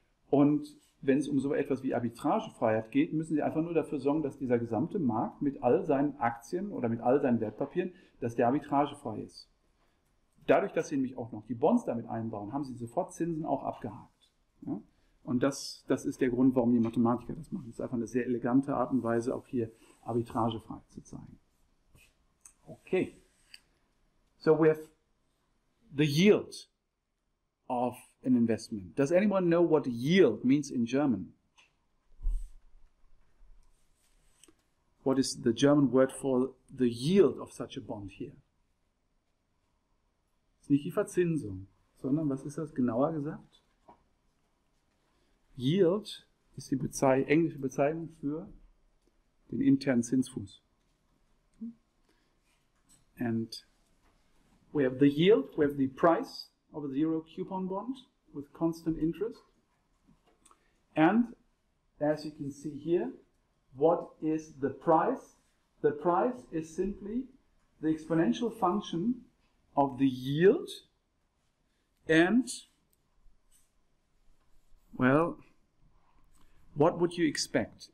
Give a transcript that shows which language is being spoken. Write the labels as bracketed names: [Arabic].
[German] Und wenn es um so etwas wie Arbitragefreiheit geht, müssen Sie einfach nur dafür sorgen, dass dieser gesamte Markt mit all seinen Aktien oder mit all seinen Wertpapieren, dass der arbitragefrei ist. Dadurch, dass Sie nämlich auch noch die Bonds damit einbauen, haben Sie sofort Zinsen auch abgehakt. Ja? Und das ist der Grund, warum die Mathematiker das machen. Das ist einfach eine sehr elegante Art und Weise, auch hier arbitragefrei zu zeigen. Okay. [English] So we have the yield of an investment. Does anyone know what yield means in German? What is the German word for the yield of such a bond here? [German] Ist nicht die Verzinsung, sondern was ist das genauer gesagt? Yield ist die englische Bezeichnung für den internen Zinsfuß. [English] And we have the yield, we have the price of a zero coupon bond with constant interest. And as you can see here, what is the price? The price is simply the exponential function of the yield and, well, what would you expect?